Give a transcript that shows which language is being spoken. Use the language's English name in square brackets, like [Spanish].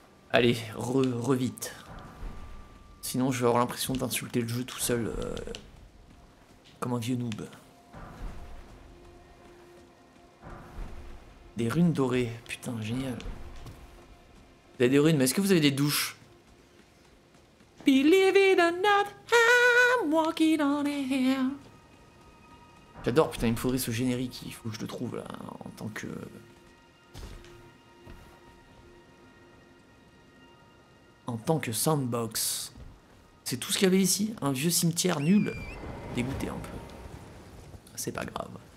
[French] Allez, revite. Sinon, je vais avoir l'impression d'insulter le jeu tout seul. Comme un vieux noob. Des runes dorées. Putain, génial. Vous avez des runes, mais est-ce que vous avez des douches? [English] Believe it or not, I'm walking on air. [French] J'adore, putain, il me faudrait ce générique, il faut que je le trouve là, en tant que... En tant que sandbox. C'est tout ce qu'il y avait ici, un vieux cimetière nul. Dégoûté un peu. C'est pas grave.